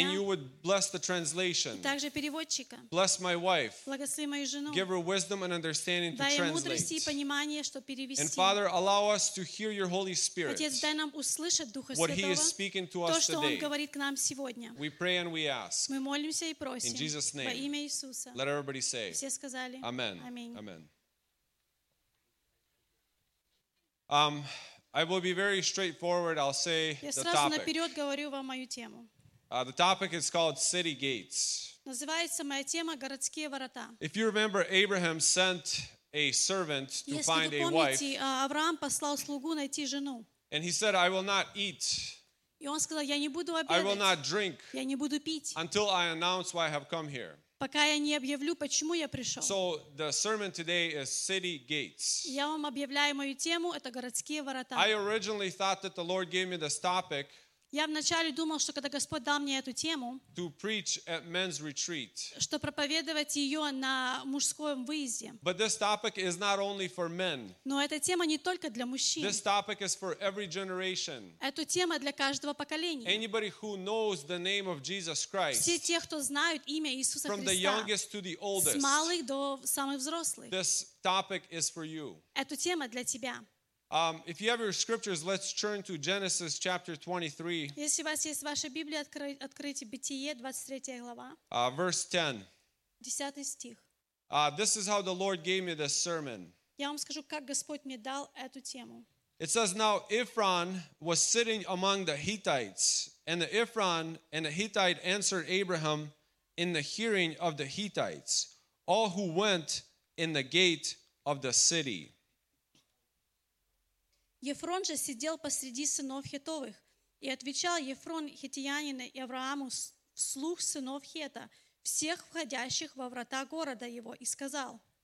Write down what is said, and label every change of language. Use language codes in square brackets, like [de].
[en] And you would bless the translation. [ru] И также переводчика. [en] Bless my wife. [ru] Благослови мою жену. [en] Give her wisdom and understanding [ru] дай [en] to translate. [ru] Дай мудрости и понимание, чтобы перевести. [en] And Father, allow us to hear your Holy Spirit. [ru] Отец, дай нам услышать Духа [en] what [ru] Святого. [en] What he is speaking to us [ru] то, что [en] today. [ru] Он говорит к нам сегодня. [en] We pray and we ask. [ru] Мы молимся и просим. [en] In Jesus' name. [ru] Во имя Иисуса. [en] Let everybody say. [ru] Все сказали. [en] Amen. [ru] Аминь. [en] Amen. I will be very straightforward. I'll say the topic. The topic is called City Gates. If you remember, Abraham sent a servant to find a wife. [ru] Авраам послал слугу найти жену. [en] And he said, "I will not eat. I will not drink until I announce why I have come here." [ru] Пока я не объявлю, почему я пришел. [en] So, the sermon today is City Gates. [ru] Я вам объявляю мою тему, это городские ворота. [en] I originally thought that the Lord gave me this topic. [ru] Я вначале думал, что когда Господь дал мне эту тему, [en] to preach at men's retreat. [ru] Что проповедовать ее на мужском выезде. [en] But this topic is not only for men. [ru] Но эта тема не только для мужчин. [en] This topic is for every generation. [ru] Эту тема для каждого поколения. [en] Anybody who knows the name of Jesus Christ. [ru] Все те, кто знают имя Иисуса Христа. [en] From the youngest to the oldest. [ru] С малых до самых взрослых. [en] This topic is for you. [ru] Эту тема для тебя. [en] If you have your scriptures, let's turn to Genesis chapter 23. [ru] Если у вас есть ваша Библия, откройте Бытие, 23 глава. [en] Verse 10. [ru] 10 стих. [en] This is how the Lord gave me this sermon. [ru] Я вам скажу, как Господь мне дал эту тему. [en] It says, now Ephron was sitting among the Hittites, and the Ephron and the Hittite answered Abraham in the hearing of the Hittites, all who went in the gate of the city. [ru] Ефрон же сидел посреди сынов Хетовых, и отвечал Ефрон хитиянина Аврааму вслух сынов Хета, всех входящих во врата города его, и сказал.